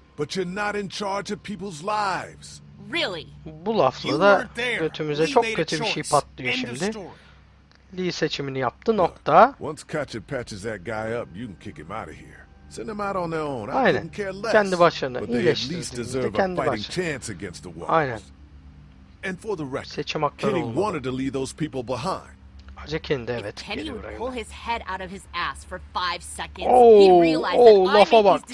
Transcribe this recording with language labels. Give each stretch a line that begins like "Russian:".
English: But you're not in charge of people's lives. Really?
Turkish: Bu lafla da götümüze çok kötü bir şey patlıyor şimdi. Lee seçimini yaptı. Nokta.
English: Once Catcher patches that guy up, you can kick him out of here. Send him out on their own. I don't care less.
Turkish: Kendi başına iyileştirdiğinde kendi başına. Aynen.
English: And for the rest, Kenny wanted to leave those people behind.
Turkish: Acekinde evet.
English: Kenny would pull his head out of his ass for 5 seconds.
Turkish: Lafa bak.